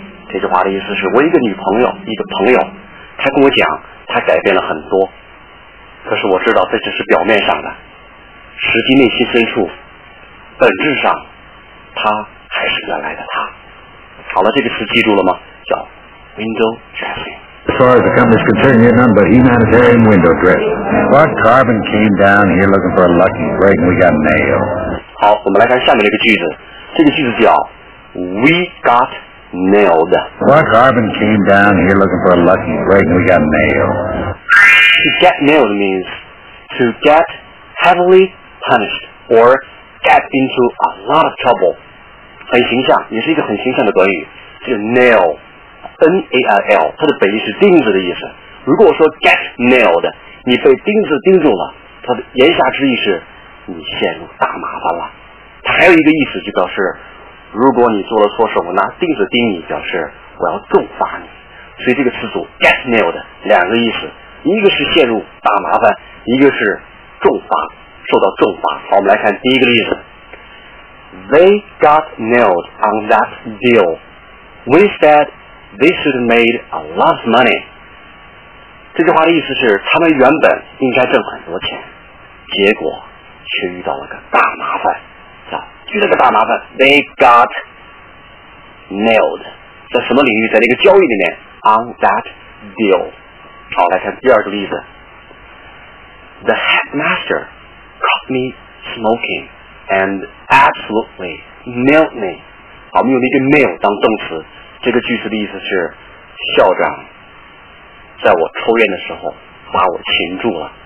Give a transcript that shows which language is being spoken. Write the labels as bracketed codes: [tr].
[zh] 这句话的意思是，我一个女朋友，一个朋友，她跟我讲，她改变了很多。可是我知道，这只是表面上的。实际内心深处，本质上他还是原来的他。好了，这个词记住了吗？叫 window dressing. [en] As far as the company's concerned, you're none but humanitarian window dressing. Bart Carbon came down here looking for a lucky break, and we got nailed. [zh] 好，我们来看下面这个句子。这个句子叫 we got nailed. [en] Bart Carbon came down here looking for a lucky break, and we got nailed. To get nailed means to get heavily punished or get into a lot of trouble. [zh] 很形象，也是一个很形象的短语，这个 nail N-A-I-L 它的本意是钉子的意思。如果说 get nailed， 你被钉子钉住了，它的言下之意是你陷入大麻烦了。还有一个意思就表示，如果你做了错事，我拿钉子钉你，表示我要重罚你。所以这个词组 get nailed 两个意思，一个是陷入大麻烦，一个是重罚，受到重罚。好，我们来看第一个例子。 [en] They got nailed on that deal. We said they should have made a lot of money. [zh] 这句话的意思是，他们原本应该挣很多钱，结果却遇到了个大麻烦。遇到个大麻烦， [en] They got nailed. [zh] 在什么领域？在那个交易里面， [en] on that deal. [zh] 好，来看第二个例子。 [en] The headmaster caught me smoking and absolutely nailed me. [zh] 好，我们用那个 nail 当动词，这个句子的意思是校长在我抽烟的时候把我擒住了，